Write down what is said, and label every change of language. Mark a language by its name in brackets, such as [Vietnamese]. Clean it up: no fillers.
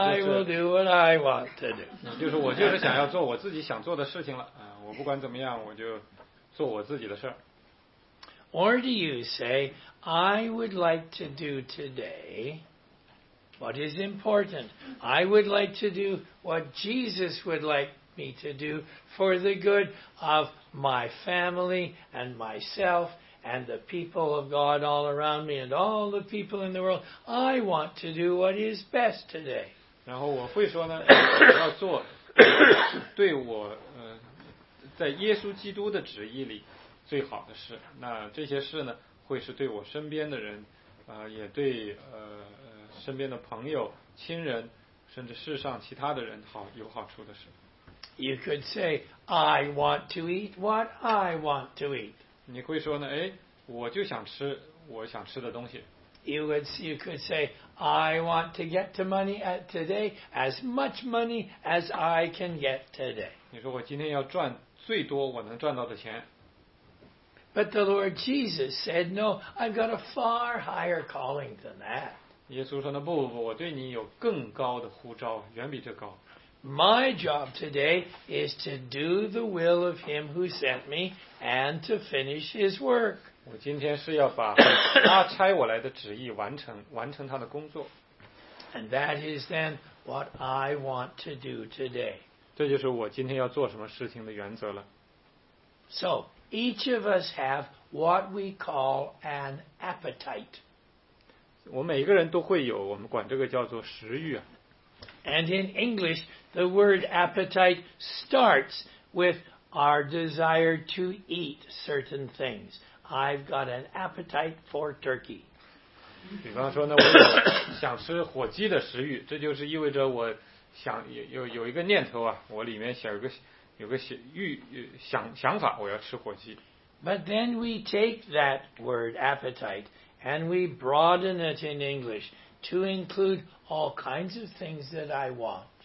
[English] I will do what I want to do. [Chinese] 就是我就是想要做我自己想做的事情了。我不管怎么样，我就做我自己的事儿。 [English] Or do you say, I would like to do today what is important? I would like to do what Jesus would like me to do for the good of my family and myself. And the people of God all around me and all the people in the world, I want to do what is best today. [Chinese] 然后我会说呢，我要做对我在耶稣基督的旨意里最好的事。那这些事呢，会是对我身边的人，也对身边的朋友、亲人，甚至世上其他的人好有好处的事。 [English] You could say, I want to eat what I want to eat. [Chinese] 你会说呢？哎，我就想吃我想吃的东西。 [English] You could say, I want to get to money at today, as much money as I can get today. [Chinese] 你说我今天要赚最多我能赚到的钱。 [English] But the Lord Jesus said, No, I've got a far higher calling than that. [Chinese] 耶稣说呢，不不不，我对你有更高的呼召，远比这高。 [English] My job today is to do the will of him who sent me and to finish his work. [Chinese] 我今天是要把他差我来的旨意完成他的工作。 [English] And that is then what I want to do today. [Chinese] 这就是我今天要做什么事情的原则了。 [English] So, each of us have what we call an appetite. [Chinese] 我每一个人都会有，我们管这个叫做食欲啊。 [English] And in English, the word appetite starts with our desire to eat certain things. I've got an appetite for turkey. [Chinese] 比方说呢，我有想吃火鸡的食欲，这就是意味着我想有一个念头啊，我里面想有个想法，我要吃火鸡。 [English] But then we take that word appetite and we broaden it in English. To include all kinds of things that I want.